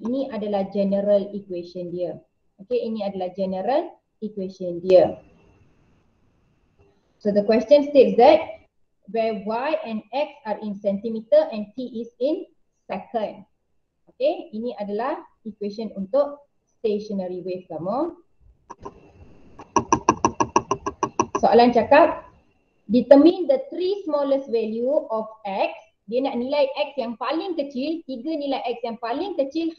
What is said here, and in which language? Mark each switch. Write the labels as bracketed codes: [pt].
[ms] Ini adalah general equation dia. Okay, ini adalah general equation dia. [en] So the question states that where y and x are in centimeter and t is in second. [ms] Okay, ini adalah equation untuk stationary wave kamu. Soalan cakap, [en] determine the three smallest value of x. [ms] Dia nak nilai x yang paling kecil, tiga nilai x yang paling kecil.